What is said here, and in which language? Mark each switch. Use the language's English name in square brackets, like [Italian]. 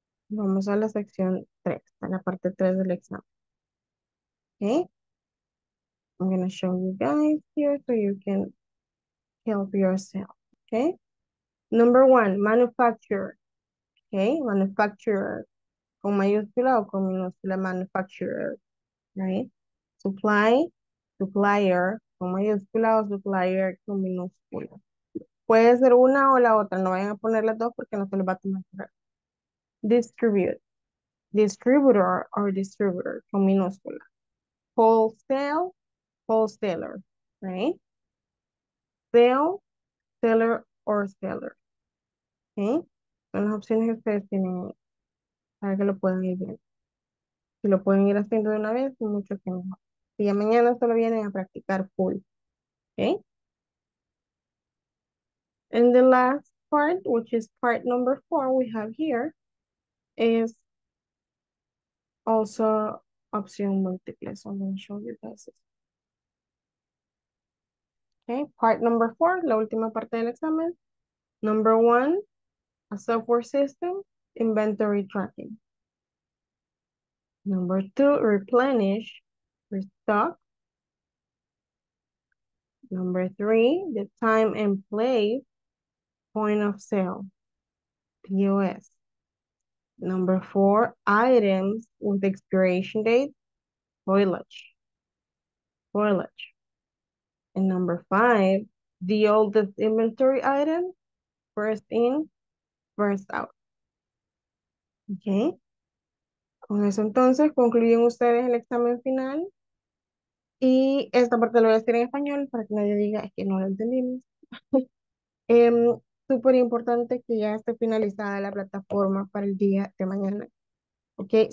[Spanish] Vamos a la sección 3, a la parte 3 del examen. [English] Okay? I'm going to show you guys here so you can help yourself. Okay? Number 1, manufacturer. Okay? [Spanish] Manufacturer. Con mayúscula o con minúscula, manufacturer. Right? Supply, supplier, con mayúscula o supplier con minúscula. Puede ser una o la otra, no vayan a poner las dos porque no se les va a tomar. Distribute, distributor o distributor con minúscula. [English] Wholesale, wholesaler, right? Sale, seller or seller. Okay? [Spanish] Son las opciones que ustedes tienen para que lo puedan ir bien. Si lo pueden ir haciendo de una vez, mucho que mejor. Si ya mañana solo vienen a practicar full. [English] Okay? And the last part, which is part number 4 we have here, is also option multiple. So I'm going to show you guys this. Okay, part number 4, [Spanish] la última parte del examen. [English] Number 1, a software system, inventory tracking. Number two, replenish, restock. Number three, the time and place, point of sale, POS. Number four, items with expiration date, foliage. Foliage. And number five, the oldest inventory item, first in, first out. Okay. [Spanish] Con eso entonces concluyen ustedes el examen final. Y esta parte lo voy a decir en español para que nadie diga es que no lo entendimos. Súper importante que ya esté finalizada la plataforma para el día de mañana. Okay.